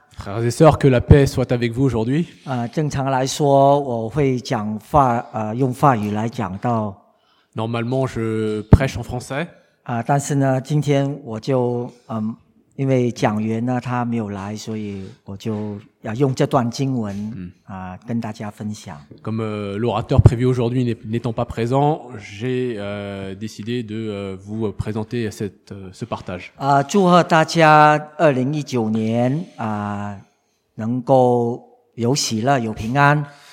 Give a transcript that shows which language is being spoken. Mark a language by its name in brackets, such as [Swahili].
[French] Frères et sœurs, que la paix soit avec vous aujourd'hui. [Chinese] 正常来说，我会讲法，用法语来讲到。 [French] Normalement, je prêche en français. [Chinese] 但是呢，今天我就因为讲员呢他没有来，所以我就要用这段经文跟大家分享。 [French] Comme l'orateur prévu aujourd'hui n'étant pas présent, j'ai décidé de vous présenter ce partage. [Chinese] 祝贺大家2019年能够有喜乐有平安。